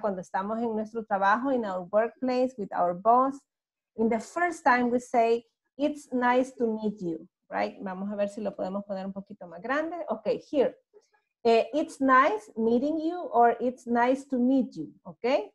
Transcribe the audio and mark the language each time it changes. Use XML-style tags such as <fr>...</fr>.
<es>Cuando estamos en nuestro trabajo,</es> <en>in our workplace, with our boss, in the first time we say, it's nice to meet you, right?</en> <es>Vamos a ver si lo podemos poner un poquito más grande.</es> <en>Okay, here. It's nice meeting you or it's nice to meet you, okay?</en>